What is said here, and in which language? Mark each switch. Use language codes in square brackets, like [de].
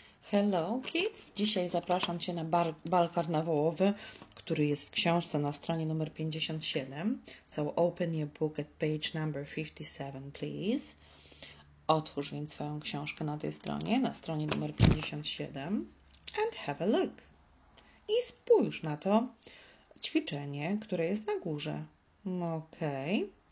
[en] Hello kids, [pl] dzisiaj zapraszam Cię na bal karnawałowy, który jest w książce na stronie numer 57. [en] So open your book at page number 57, please. [pl] Otwórz więc swoją książkę na tej stronie, na stronie numer 57 [en] and have a look. [pl] I spójrz na to ćwiczenie, które jest na górze. Okej.